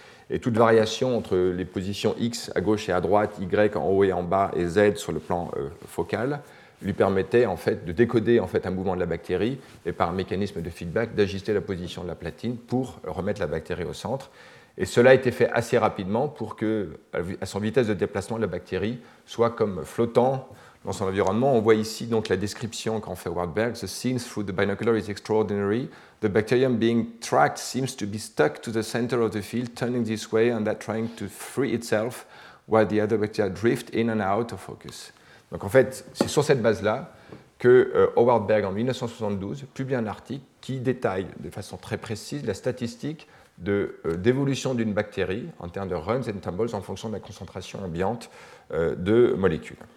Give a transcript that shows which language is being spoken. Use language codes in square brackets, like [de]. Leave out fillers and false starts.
[fr] Et toute variation entre les positions X à gauche et à droite, Y en haut et en bas et Z sur le plan focal lui permettait en fait de décoder en fait un mouvement de la bactérie et par un mécanisme de feedback d'ajuster la position de la platine pour remettre la bactérie au centre. Et cela a été fait assez rapidement pour que, à son vitesse de déplacement, la bactérie soit comme flottant dans son environnement. On voit ici donc la description qu'en fait Wartburg. [en] The scene through the binocular is extraordinary. The bacterium being tracked seems to be stuck to the center of the field, turning this way and that trying to free itself while the other bacteria drift in and out of focus. [fr] Donc en fait, c'est sur cette base-là que Howard Berg, en 1972, publie un article qui détaille de façon très précise la statistique d'évolution d'une bactérie en termes de runs and tumbles en fonction de la concentration ambiante de molécules.